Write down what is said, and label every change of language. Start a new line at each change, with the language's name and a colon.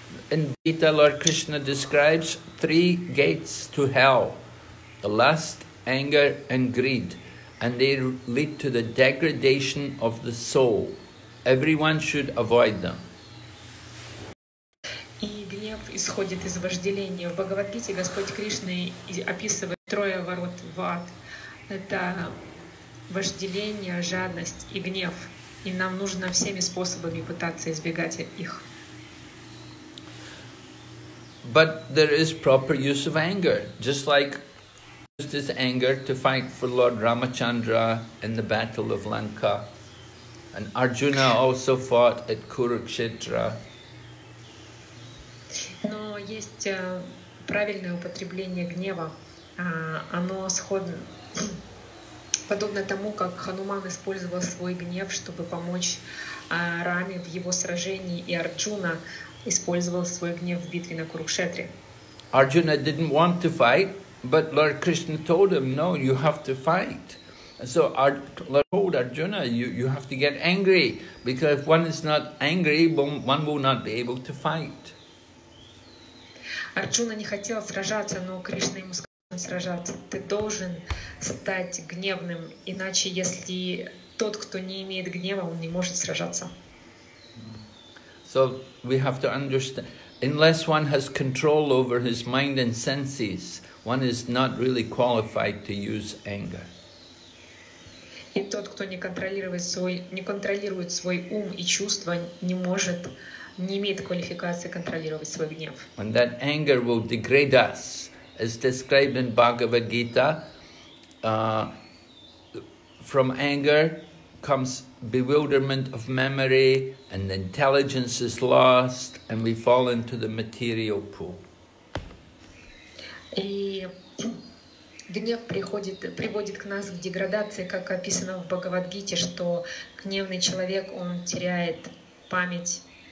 English: In Gita, Lord Krishna describes three gates to hell: the lust, anger, and greed. And they lead to the degradation of the soul. Everyone should avoid them.
Russian: И гнев исходит из вожделения. В Бхагавад-гите Господь Кришна описывает трое ворот в ад. Это вожделение, жадность и гнев. И нам нужно всеми способами пытаться избегать их.
English: But there is proper use of anger, just like used his anger to fight for Lord Ramachandra in the battle of Lanka. And Arjuna also fought at Kurukshetra.
Russian: Но есть правильное употребление гнева. Оно сходно, подобно тому, как Хануман использовал свой гнев, чтобы помочь Раме в его сражении, и Арджуна использовал свой гнев в битве на Курукшетре.
English: Arjuna didn't want to fight, but Lord Krishna told him, "No, you have to fight." And so Lord told Arjuna, "You have to get angry, because if one is not angry, one will not be able to fight."
Russian: Арджуна не хотел сражаться, но Кришна ему сказал сражаться. Ты должен стать гневным, иначе если тот, кто не имеет гнева, он не может сражаться.
English: So we have to understand, unless one has control over his mind and senses, one is not really qualified to use anger.
Russian: И тот, кто не контролирует свой ум и чувства, не имеет квалификации контролировать свой гнев.
English: And that anger will degrade us, as described in Bhagavad Gita. From anger comes bewilderment of memory, and the intelligence is lost, and we fall into the material pool.
Russian: И гнев приводит к нас к деградации, как описано в Бхагавад-гите, что гневный человек, он теряет память.